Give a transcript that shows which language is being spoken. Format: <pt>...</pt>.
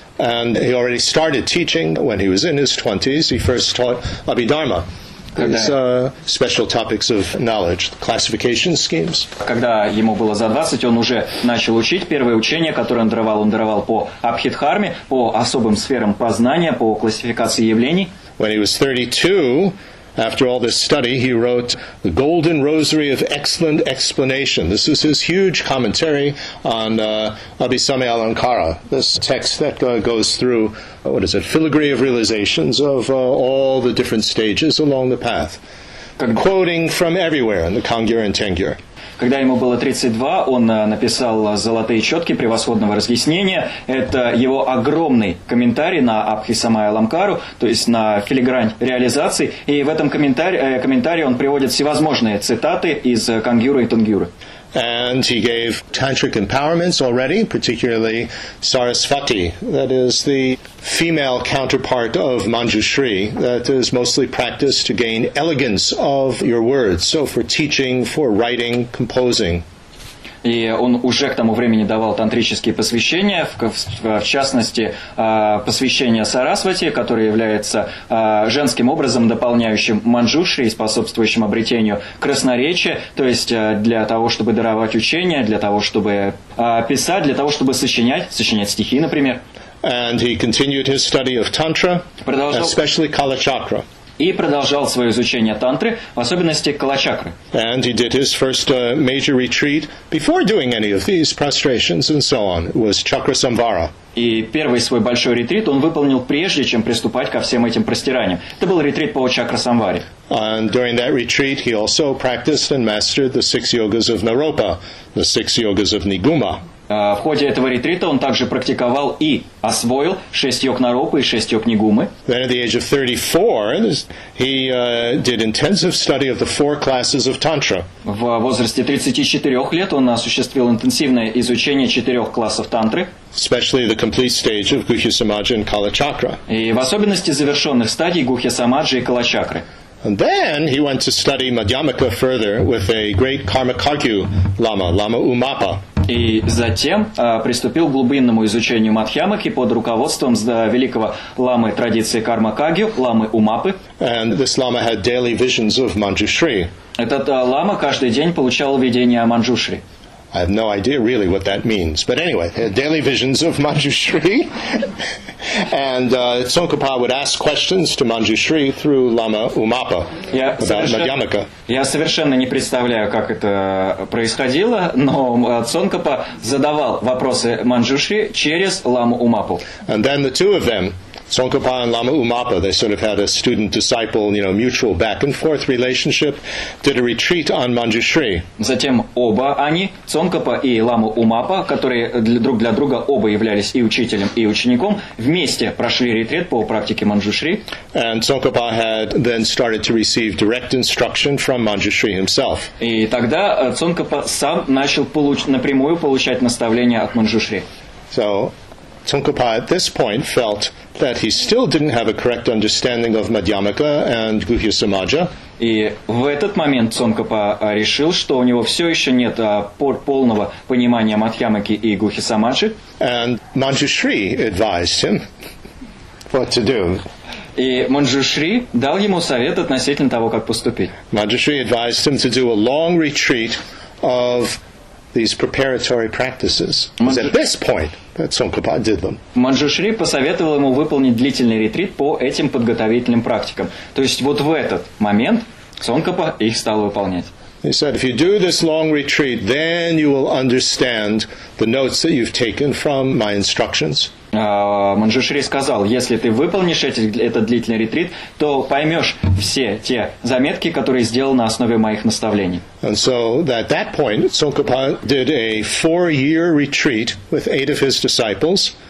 <en>And he already started teaching when he was in his 20s. He first taught Abhidharma. Special topics of knowledge, classification schemes.</en> <ru>Когда ему было за 20, он уже начал учить первое учение, которое он даровал по Абхидхарме, по особым сферам познания, по классификации явлений.</ru> <en>When he was 32, after all this study, he wrote The Golden Rosary of Excellent Explanation. This is his huge commentary on Abhisamya Alankara, this text that goes through, what is it, filigree of realizations of all the different stages along the path, quoting from everywhere in the Kangyur and Tengyur.</en> <ru>Когда ему было 32, он написал «Золотые четки превосходного разъяснения». Это его огромный комментарий на Абхисамая Ламкару, то есть на филигрань реализации. И в этом комментарии он приводит всевозможные цитаты из Кангюра и Тангюра.</ru> <en>And he gave tantric empowerments already, particularly Sarasvati, that is the female counterpart of Manjushri, that is mostly practiced to gain elegance of your words, so for teaching, for writing, composing.</en> <ru>И он уже к тому времени давал тантрические посвящения, в частности, посвящение Сарасвати, которое является женским образом, дополняющим манджушри и способствующим обретению красноречия, то есть для того, чтобы даровать учение, для того, чтобы писать, для того, чтобы сочинять стихи, например.</ru> <en>And he continued his study of tantra, especially Kala Chakra.</en> <ru>И продолжал свое изучение тантры, в особенности калачакры.</ru> <en>And he did his first major retreat before doing any of these prostrations and so on. It was Чакрасамвара.</en> <ru>И первый свой большой ретрит он выполнил прежде, чем приступать ко всем этим простираниям. Это был ретрит по Чакрасамваре.</ru> <en>And during that retreat he also practiced and mastered the six yogas of Наропа, the six yogas of Нигума.</en> <ru>В ходе этого ретрита он также практиковал и освоил шесть йог Наропы и шесть йог Нигумы.</ru> <en>Then at the age of 34, he did intensive study of the four classes of tantra.</en> <ru>В возрасте 34 лет он осуществил интенсивное изучение четырех классов тантры.</ru> <en>Especially the complete stage of Guhya Samaja and Kala Chakra.</en> <ru>И в особенности завершенных стадий Guhya Samaja и Kala Chakra.</ru> <en>And then he went to study Madhyamaka further with a great Karmakagyu Lama, Lama Umapa.</en> <ru>И затем приступил к глубинному изучению Мадхьямаки под руководством великого ламы традиции Кармакагью, ламы Умапы.</ru> <en>And this lama had daily visions of Manjushri.</en> <ru>Этот лама каждый день получал видения о Манджушри.</ru> <en>I have no idea really what that means. But anyway, daily visions of Manjushri. And Tsongkhapa would ask questions to Manjushri through Lama Umapa about Madhyamaka.</en> <ru>Я совершенно не представляю, как это происходило, но Цонкапа задавал вопросы Манджушри через Лама Умапу.</ru> <en>And then the two of them, Tsongkhapa and Lama Umapa, they sort of had a student-disciple, you know, mutual back-and-forth relationship, did a retreat on Manjushri.</en> <ru>Затем оба они, Цонкапа и Лама Умапа, которые друг для друга оба являлись и учителем, и учеником, вместе прошли ретрит по практике Манджушри.</ru> <en>And Tsongkhapa had then started to receive direct instruction from Manjushri himself.</en> <ru>И тогда Цонкапа сам начал напрямую получать наставления от Манджушри.</ru> <en>So, Tsongkhapa at this point felt that he still didn't have a correct understanding of Madhyamaka and Guhya Samaja.</en> <ru>И в этот момент Цонкапа решил, что у него все еще нет полного понимания Мадхьямаки и Гухи Самаджи.</ru> <en>And Manjushri advised him what to do.</en> <ru>И Манджушри дал ему совет относительно того, как поступить.</ru> <en>Manjushri advised him to do a long retreat of these preparatory practices. At this point, that Tsongkhapa did them.</en> <ru>Манджушри посоветовал ему выполнить длительный ретрит по этим подготовительным практикам. То есть вот в этот момент Цонкапа их стал выполнять.</ru> <en>He said, if you do this long retreat, then you will understand the notes that you've taken from my instructions.</en> <ru>Манджушри сказал, если ты выполнишь этот длительный ретрит, то поймешь все те заметки, которые сделал на основе моих наставлений.</ru> <en>And so at that point, Tsongkhapa did a four-year retreat with eight of his disciples.</en>